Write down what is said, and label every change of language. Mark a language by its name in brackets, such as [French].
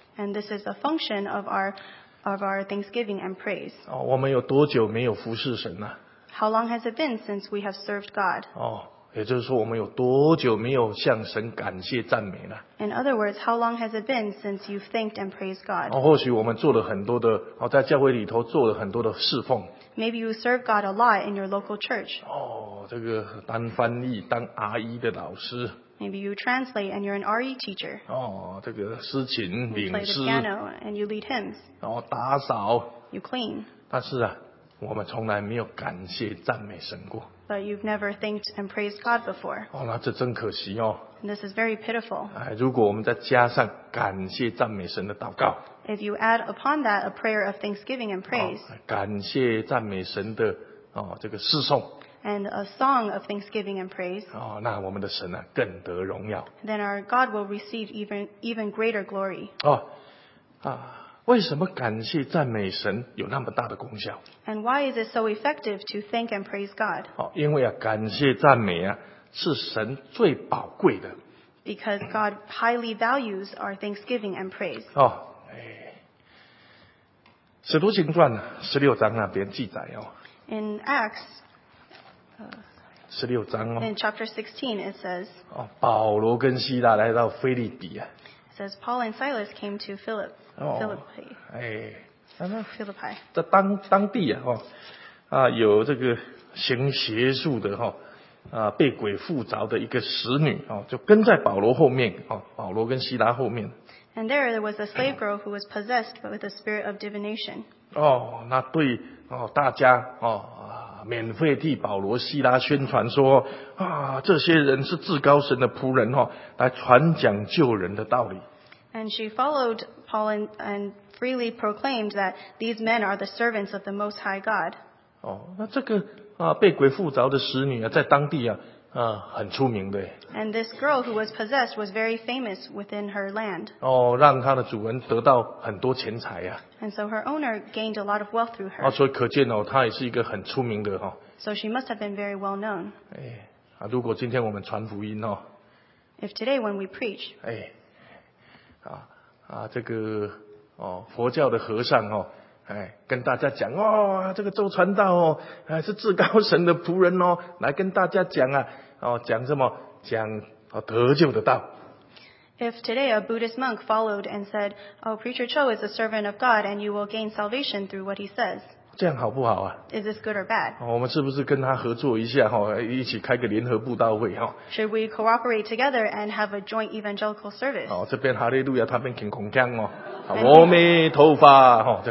[English] And this is a function of our thanksgiving and praise. [Chinese] 哦，我们有多久没有服侍神呢？ [English] How long has it been since we have served God? [Chinese] 哦，也就是说我们有多久没有向神感谢赞美呢？ [English] In other words, how long has it been since you've thanked and praised God? [Chinese] 或许我们做了很多的，在教会里头做了很多的侍奉。 [English] Maybe you serve God a lot in your local church. [Chinese] 哦，这个当翻译，当 RE 的老师。 [English] Maybe you translate and you're an RE teacher. [Chinese] 哦，这个诗琴领诗。 [English] You play the piano and you lead hymns. [Chinese] 哦，打扫。 [English] You clean. [Chinese] 但是啊，我们从来没有感谢赞美神过。 [English] But you've never thanked and praised God before. [Chinese] 哦，那这真可惜哦。 [English] And this is very pitiful. [Chinese] 哎，如果我们再加上感谢赞美神的祷告。 [English] If you add upon that a prayer of thanksgiving and praise. [Chinese] 哦，感谢赞美神的哦这个诗颂。 [English] And a song of thanksgiving and praise. [Chinese] 哦，那我们的神啊更得荣耀。 [English] Then our God will receive even greater glory. [Chinese] 哦，啊。为什么感谢赞美神有那么大的功效？ [English] And why is it so effective to thank and praise God? [Chinese] 因为啊，感谢赞美啊，是神最宝贵的。 [English] Because God highly values our thanksgiving and praise. [Chinese] 哦，哎，使徒行传十六章那边记载哦。 [English] In Acts, [Chinese] 十六章哦。 [English] In chapter 16 it says. [Chinese] 哦，保罗跟希腊来到腓立比啊。 [English] Says Paul and Silas came to Philip. Philippi. [Chinese] 哎，那在当地啊，哦，啊有这个行邪术的哈，啊被鬼附着的一个使女哦，就跟在保罗后面哦，保罗跟希拉后面。 [English] And there was a slave girl who was possessed with a spirit of divination. [Chinese] 哦，那对哦，大家哦，免费替保罗、希拉宣传说啊，这些人是至高神的仆人哦，来传讲救人的道理。 [English] And she followed Paul and freely proclaimed that these men are the servants of the Most High God. [Chinese] 哦，那这个啊，被鬼附着的使女啊，在当地啊，啊，很出名的。 [English] And this girl who was possessed was very famous within her land. [Chinese] 哦，让她的主人得到很多钱财啊。 [English] And so her owner gained a lot of wealth through her. [Chinese] 啊，所以可见哦，她也是一个很出名的哈。 [English] So she must have been very well known. [Chinese] 哎，啊，如果今天我们传福音哦。 [English] If today when we preach. [Chinese] 哎。啊，这个哦，佛教的和尚哦，哎，跟大家讲哦，这个周传道哦，哎，是至高神的仆人哦，来跟大家讲啊，哦，讲什么？讲哦，得救的道。 [English] If today a Buddhist monk followed and said, "Oh, Preacher Cho is a servant of God, and you will gain salvation through what he says." [Chinese] 这样好不好啊 [English] ？Is this good or bad？ [Chinese] 哦，我们是不是跟他合作一下哈，哦，一起开个联合布道会哈，哦、 [English] ？Should we cooperate together and have a joint evangelical service？ [Chinese] 哦，这边哈利路亚，他边听空腔哦，阿弥陀佛哈，这。